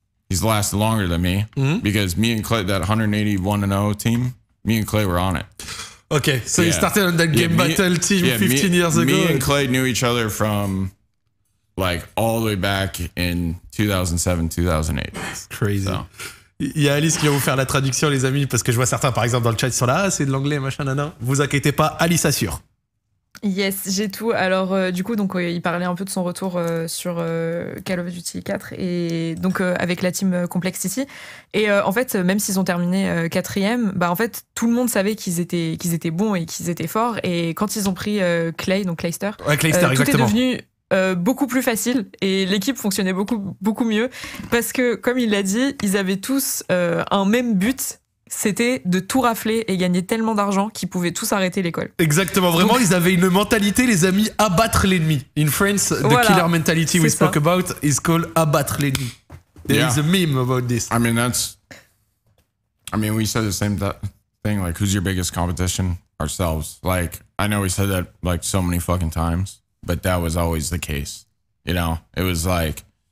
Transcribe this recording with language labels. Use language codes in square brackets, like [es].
[en] He's lasted longer than me because me and Clay, that 181-0 team, me and Clay were on it. Okay. So you started on that game battle team 15 years ago. Me and Clay knew each other from like all the way back in 2007, 2008. Crazy. [fr] Il y a Alice qui va vous faire la traduction, les amis, parce que je vois certains, par exemple, dans le chat, ils sont là, ah, c'est de l'anglais, machin, nanana. Vous inquiétez pas, Alice assure. Yes, j'ai tout. Alors, du coup, donc, il parlait un peu de son retour sur Call of Duty 4 et donc avec la team Complexity. Et en fait, même s'ils ont terminé quatrième, bah en fait, tout le monde savait qu'ils étaient bons et qu'ils étaient forts. Et quand ils ont pris Clay, donc Clayster, tout est devenu beaucoup plus facile et l'équipe fonctionnait beaucoup beaucoup mieux parce que, comme il l'a dit, ils avaient tous un même but. C'était de tout rafler et gagner tellement d'argent qu'ils pouvaient tous arrêter l'école. Exactement, vraiment, ils avaient une mentalité, les amis, abattre l'ennemi. [en] In France, the killer mentality spoke about is called [fr] abattre l'ennemi. [en] There is a meme about this. I mean, we said the same thing, like, who's your biggest competition? Ourselves. Like, I know we said that, like, so many fucking times, but that was always the case. You know, it was like,